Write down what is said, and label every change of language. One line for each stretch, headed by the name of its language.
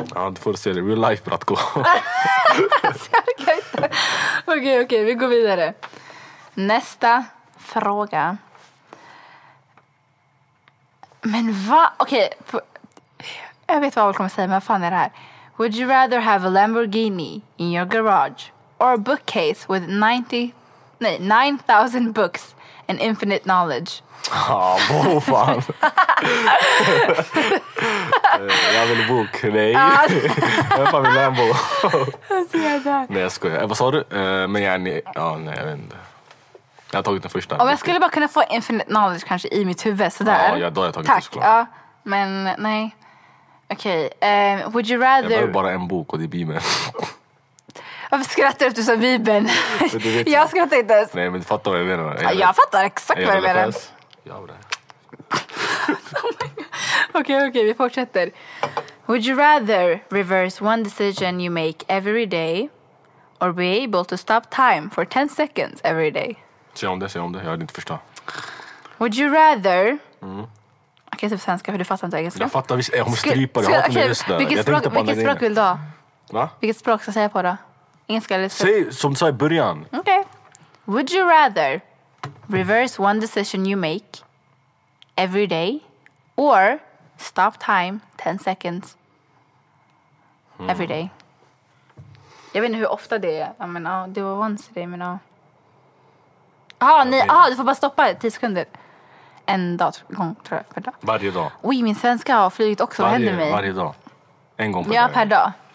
Swedish: Ja, du får se det,
English: real life,
Swedish: bratko. Okej, vi går vidare. Nästa fråga. Men vad, jag vet vad jag kommer säga, men vad fan är det här?
English: Would you rather have a Lamborghini in your garage or a bookcase with 9,000 books and infinite knowledge?
Swedish: Åh, oh, vad fan. Jag vill bok, nej. Jag fan vill Lambo. Nej, jag skojar. Vad sa du? Men jag är nej, jag vet inte. Jag har tagit den första. Om jag skulle bara kunna få
English: infinite knowledge
Swedish: kanske i mitt huvud, sådär. Ja, då har jag tagit tack. Det, såklart. Ja, men nej. Okej, okay.
English: Would you rather...
Swedish: Jag bara en bok och det är Bibeln. Varför skrattar du efter du sa Bibeln? Jag skrattar inte ens. Nej, men du fattar vad jag menar. Jag fattar exakt vad jag menar. Jag har det. Okej, vi fortsätter.
English: Would you rather reverse one decision you make every day or be able to stop time for 10 seconds every day?
Swedish: Se om det, jag hade inte förstått.
English: Would you rather...
Swedish: Okej, typ svenska, för du fattar inte engelska. Jag fattar, jag kommer strypa det, jag har inte med röst där. Vilket språk vill du ha? Va? Vilket språk ska jag säga på då? Engelska eller... Säg som du sa i början. Okej.
English: Would you rather reverse one decision you make every day or stop time 10 seconds every day?
Swedish: Jag vet inte hur ofta det är. Det var
English: once a day,
Swedish: men... du får bara stoppa 10 sekunder. En dag, tror jag, per dag. Varje dag. Oj, min svenska har flygit också. Varje, vad händer mig? Varje dag. En gång per dag. Ja, per dag.